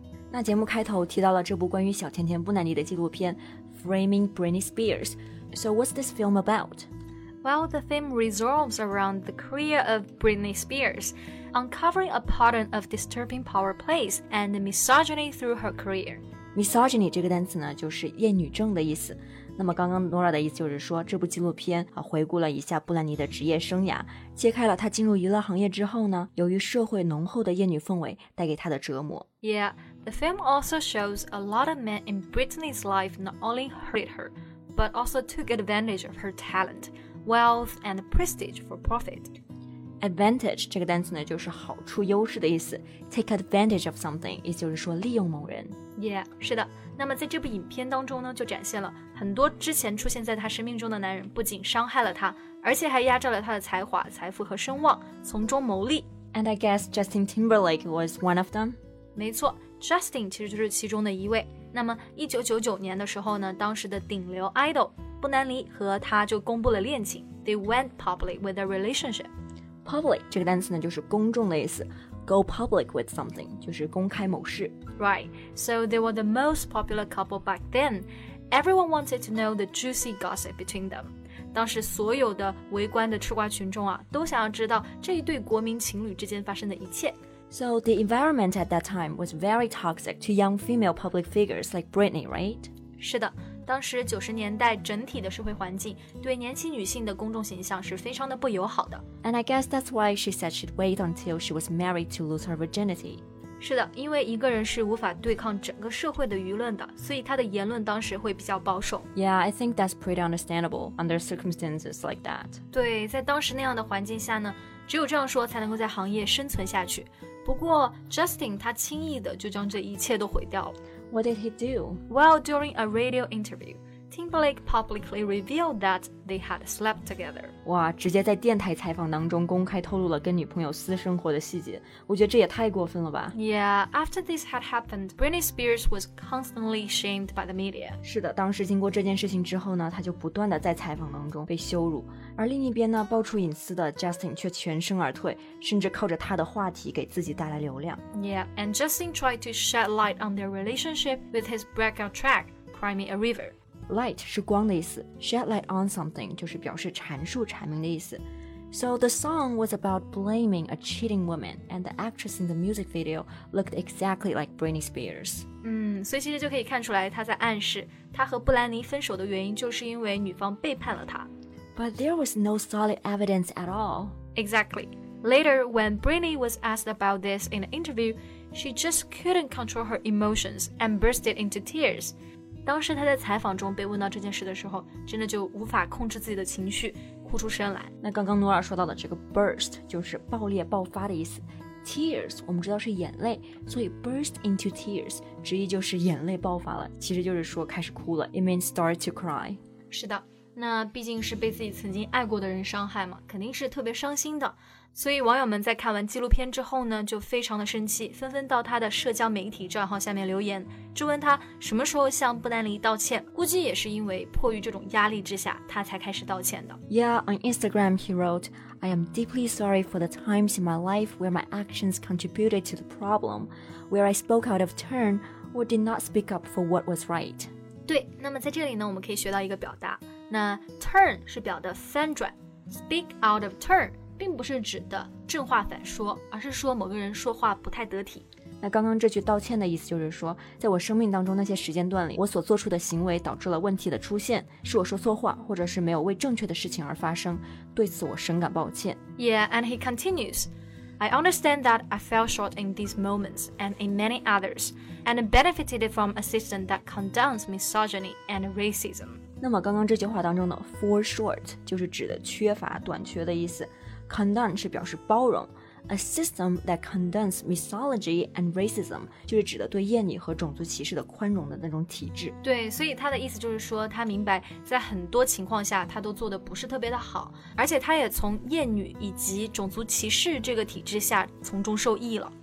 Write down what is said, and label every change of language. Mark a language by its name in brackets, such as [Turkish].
[Chinese] 那节目开头提到了这部关于小甜甜布兰妮的纪录片 Framing Britney Spears. [English] So what's this film about? Well, the film revolves around the career of Britney Spears, uncovering a pattern of disturbing power plays and misogyny through her career. [Chinese] Misogyny 这个单词呢，就是厌女症的意思。那么刚刚 Nora 的意思就是说，这部纪录片啊回顾了一下布兰妮的职业生涯，揭开了她进入娱乐行业之后呢，由于社会浓厚的厌女氛围带给她的折磨。 [English] Yeah, the film also shows a lot of men in Britney's life not only hurt her, but also took advantage of her talent, wealth, and prestige for profit. [Chinese] Advantage 这个单词呢，就是好处、优势的意思。 [English] Take advantage of something [Chinese] 也就是说利用某人。 Yeah, 是的。那么在这部影片当中呢，就展现了很多之前出现在他生命中的男人不仅伤害了他，而且还压榨了他的才华、财富和声望，从中牟利。 [English] And I guess Justin Timberlake was one of them. [Chinese] 没错， Justin 其实就是其中的一位。那么1999年的时候呢，当时的顶流 idol 布兰妮和他就公布了恋情。 [English] They went public with their relationship. [Chinese] Public 这个单词呢，就是公众的意思。 [English] Go public with something [Chinese] 就是公开某事。 [English] Right, so they were the most popular couple back then. Everyone wanted to know the juicy gossip between them. [Chinese] 当时所有的围观的吃瓜群众啊，都想要知道这一对国民情侣之间发生的一切。 [English] So the environment at that time was very toxic to young female public figures like Britney, right? [Chinese] 是的，当时90年代整体的社会环境对年轻女性的公众形象是非常的不友好的。 [English] And I guess that's why she said she'd wait until she was married to lose her virginity. [Chinese] 是的，因为一个人是无法对抗整个社会的舆论的，所以她的言论当时会比较保守。 [English] Yeah, I think that's pretty understandable under circumstances like that. [Chinese] 对，在当时那样的环境下呢，只有这样说才能够在行业生存下去。不过 Justin 他轻易的就将这一切都毁掉了。 [English] What did he do? Well, during a radio interview, Timberlake publicly revealed that they had slept together. [Chinese] 哇，直接在电台采访当中公开透露了跟女朋友私生活的细节，我觉得这也太过分了吧。 [English] Yeah, after this had happened, Britney Spears was constantly shamed by the media. [Chinese] 是的，当时经过这件事情之后呢，她就不断的在采访当中被羞辱，而另一边呢，爆出隐私的 Justin 却全身而退，甚至靠着他的话题给自己带来流量。 [English] Yeah, and Justin tried to shed light on their relationship with his breakout track, Cry Me a River. [Chinese] light 是光的意思 shed light on something 就是表示阐述阐明的意思 [English] So the song was about blaming a cheating woman and the actress in the music video looked exactly like Britney Spears [Chinese] 所以其实就可以看出来他在暗示他和布兰妮分手的原因就是因为女方背叛了他 [English] But there was no solid evidence at all Exactly Later when Britney was asked about this in an interviewShe just couldn't control her emotions and bursted into tears. [Chinese] 当时她在采访中被问到这件事的时候，真的就无法控制自己的情绪，哭出声来。那刚刚诺尔说到的这个 burst 就是爆裂、爆发的意思。 Tears 我们知道是眼泪，所以 burst into tears 直译就是眼泪爆发了，其实就是说开始哭了。 [English] It means start to cry. [Chinese] 是的，那毕竟是被自己曾经爱过的人伤害嘛，肯定是特别伤心的。所以网友们在看完纪录片之后呢就非常的生气纷纷到他的社交媒体账号下面留言质问他什么时候向布兰妮道歉估计也是因为迫于这种压力之下他才开始道歉的 [English] Yeah, on Instagram he wrote I am deeply sorry for the times in my life where my actions contributed to the problem where I spoke out of turn or did not speak up for what was right [Chinese] 对那么在这里呢我们可以学到一个表达那 turn 是表的翻转 speak out of turn并不是指的正话反说而是说某个人说话不太得体那刚刚这句道歉的意思就是说在我生命当中那些时间段里我所做出的行为导致了问题的出现是我说错话或者是没有为正确的事情而发生对此我深感抱歉 [English] Yeah, and he continues I understand that I fell short in these moments and in many others and benefited from a system that condones misogyny and racism [Chinese] 那么刚刚这句话当中的 fall short 就是指的缺乏短缺的意思Condone 是表示包容 [English] A system that condones misogyny and racism [Chinese] 就是指的对厌女和种族歧视的宽容的那种体制对所以他的意思就是说他明白在很多情况下他都做得不是特别的好而且他也从厌女以及种族歧视这个体制下从中受益了